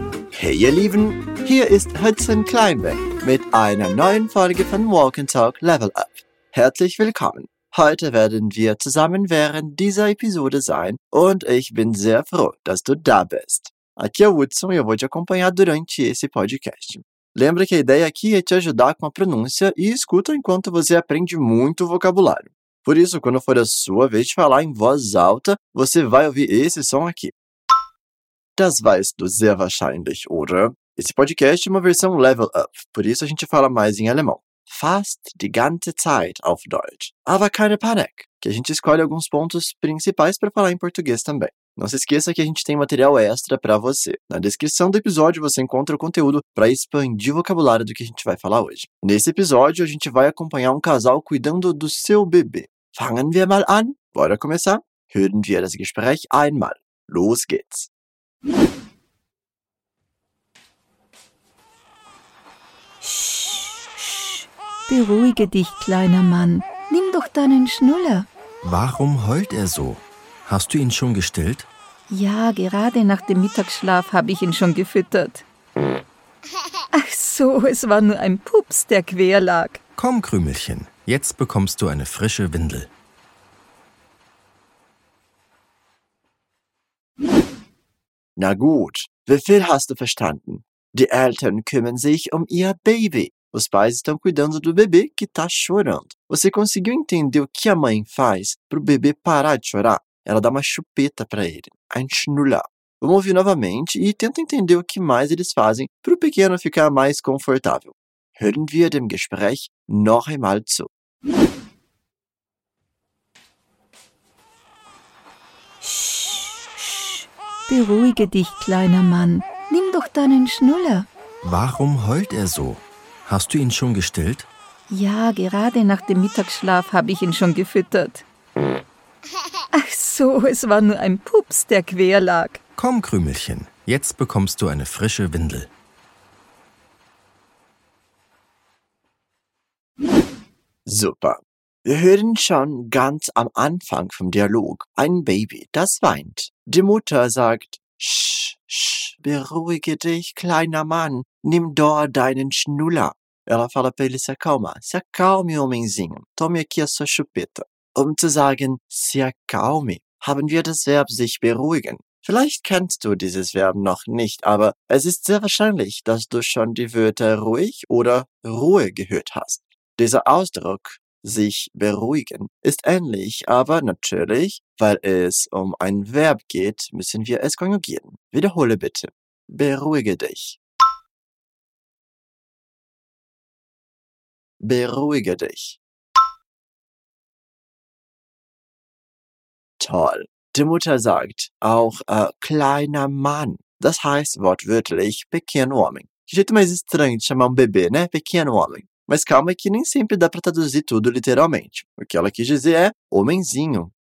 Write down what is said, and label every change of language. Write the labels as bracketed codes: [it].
[de] Hey ihr Lieben, hier ist Hudson Kleinbeck mit einer neuen Folge von Walk and Talk Level Up. Herzlich willkommen. Heute werden wir zusammen während dieser Episode sein und ich bin sehr froh, dass du da bist. [pt] Aqui é o Hudson e eu vou te acompanhar durante esse podcast. Lembra que a ideia aqui é te ajudar com a pronúncia e escuta enquanto você aprende muito vocabulário. Por isso, quando for a sua vez de falar em voz alta, você vai ouvir esse som aqui. [de] Das weißt du sehr wahrscheinlich, oder? [pt] Esse podcast é uma versão level up, por isso a gente fala mais em alemão. [de] Fast die ganze Zeit auf Deutsch. Aber keine Panik, [pt] que a gente escolhe alguns pontos principais para falar em português também. Não se esqueça que a gente tem material extra para você. Na descrição do episódio você encontra o conteúdo para expandir o vocabulário do que a gente vai falar hoje. Nesse episódio a gente vai acompanhar um casal cuidando do seu bebê. [de] Fangen wir mal an. [pt] Bora começar? [de] Hören wir das Gespräch einmal. Los geht's. Beruhige dich, kleiner Mann. Nimm doch deinen Schnuller. Warum heult er so? Hast du ihn schon gestillt? Ja, gerade nach dem Mittagsschlaf habe ich ihn schon gefüttert. Ach so, es war nur ein Pups, der quer lag. Komm, Krümelchen, jetzt bekommst du eine frische Windel. Na gut, wie viel hast du verstanden? Die Eltern kümmern sich um ihr Baby. [pt] Os pais estão cuidando do bebê que está chorando. Você conseguiu entender o que a mãe faz para o bebê parar de chorar? Ela dá uma chupeta para ele. Ein Schnuller. Vamos ouvir novamente e tenta entender o que mais eles fazem para o pequeno ficar mais confortável. [de] Hören wir dem Gespräch noch einmal zu. Beruhige dich, kleiner Mann. Nimm doch deinen Schnuller. Warum heult er so? Hast du ihn schon gestillt? Ja, gerade nach dem Mittagsschlaf habe ich ihn schon gefüttert. Ach so, es war nur ein Pups, der quer lag. Komm, Krümelchen, jetzt bekommst du eine frische Windel. Super. Wir hören schon ganz am Anfang vom Dialog ein Baby, das weint. Die Mutter sagt, Sch, beruhige dich, kleiner Mann, nimm dort deinen Schnuller. [pt] Ela fala para ele se acalme, homenzinho, tome aqui a sua chupeta. [de] Um zu sagen, [pt] se acalme, [de] haben wir das Verb sich beruhigen. Vielleicht kennst du dieses Verb noch nicht, aber es ist sehr wahrscheinlich, dass du schon die Wörter ruhig oder Ruhe gehört hast. Dieser Ausdruck, sich beruhigen, ist ähnlich, aber natürlich, weil es um ein Verb geht, müssen wir es konjugieren. Wiederhole bitte. Beruhige dich. Beruhige dich. Toll. Die Mutter sagt auch kleiner Mann. Das heißt wortwörtlich [pt] pequeno homem. Que jeito mais estranho de chamar bebê, né? Pequeno homem. Mas calma que nem sempre dá para traduzir tudo literalmente. O que ela quis dizer é homenzinho.